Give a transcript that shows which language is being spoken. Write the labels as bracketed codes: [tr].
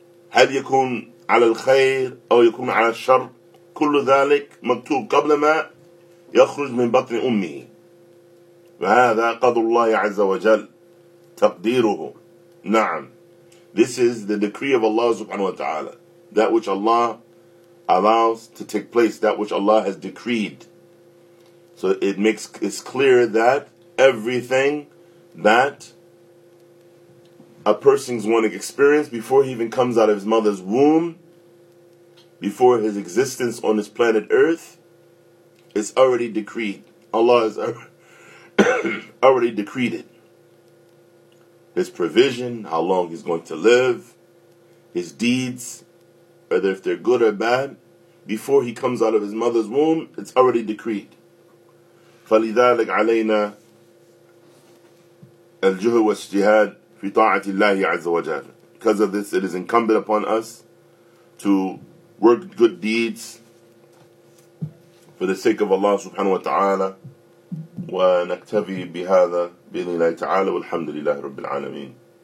[ar] هل يكون على الخير أو يكون على الشر, كل ذلك مكتوب قبل ما يخرج من بطن أمه. فهذا قدر الله عز وجل تقديره. نعم. [en] This is the decree of Allah subhanahu wa ta'ala. That which Allah allows to take place, that which Allah has decreed. So it makes it clear that everything that a person's going to experience before he even comes out of his mother's womb, before his existence on this planet earth, is already decreed. Allah is already already decreed it. His provision, how long he's going to live, his deeds, whether if they're good or bad, before he comes out of his mother's womb, it's already decreed. [ar] فَلِذَلِكْ عَلَيْنَا الْجُهُ وَالْجِهَادْ فِي طَاعَةِ اللَّهِ عَزَّ وَجَلَّ. [en] Because of this, it is incumbent upon us to work good deeds for the sake of Allah subhanahu wa ta'ala. [ar] ونكتفي بهذا بإذن الله تعالى والحمد لله رب العالمين.